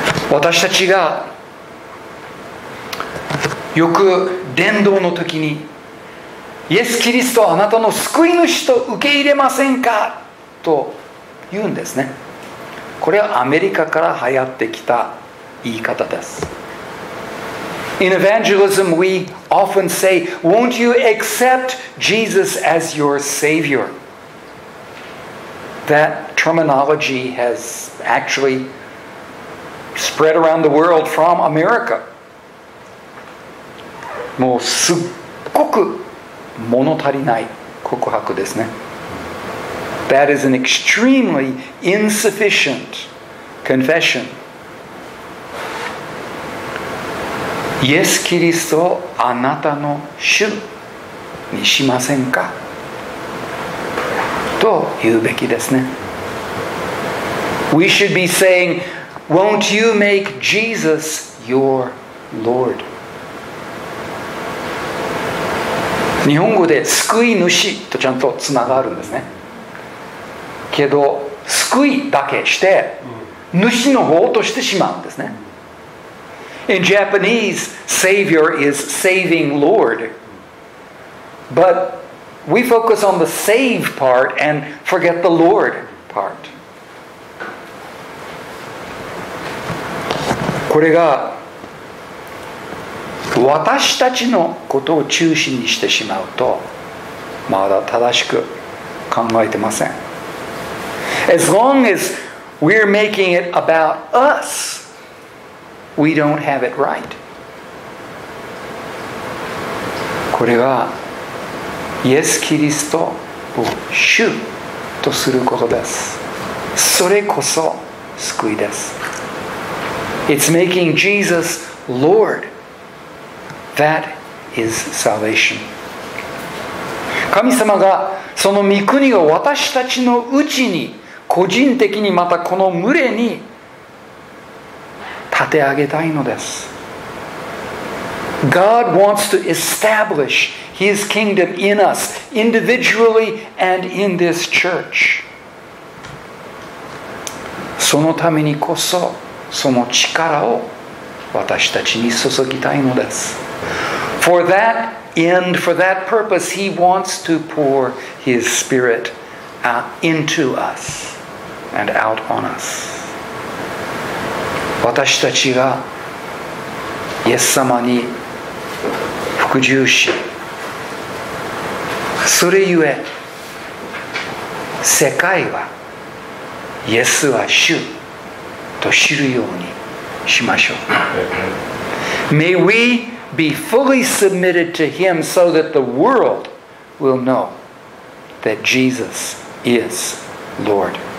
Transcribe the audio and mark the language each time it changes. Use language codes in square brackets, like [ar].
[ja] 私たちがよく伝道の時に、イエス・キリストをあなたの救い主と受け入れませんかと言うんですね。これはアメリカから流行ってきた言い方です。 [en] In evangelism we often say, won't you accept Jesus as your savior? That terminology has actually spread around the world from America. [ja] もうすっごく物足りない告白ですね。 [en] That is an extremely insufficient confession. [ja] イエス・キリストをあなたの主にしませんかと言うべきですね。 [en] We should be saying, won't you make Jesus your Lord? [ja] 日本語で救い主とちゃんとつながるんですね。けど救いだけして主の方としてしまうんですね。 [en] In Japanese, Savior is saving Lord. But we focus on the save part and forget the Lord part. [ja] これが私たちのことを中心にしてしまうと、まだ正しく考えてません。 [en] As long as We're making it about us. We don't have it right. [ja] これはイエス・キリストを主とすることです。それこそ救いです。 [en] It's making Jesus Lord. That is salvation. [ja] 神様がその御国を私たちのうちに個人的にまたこの群れに立て上げたいのです。 [en] God wants to establish His kingdom in us, individually and in this church. [ja] そのためにこそその力を私たちに注ぎたいのです。 [en] For that end, for that purpose, He wants to pour His Spirit into us and out on us. [ja] 私たちがイエス様に服従し、それゆえ世界はイエスは主と知るようにしましょう。 [en] May we be fully submitted to Him so that the world will know that Jesus is Lord.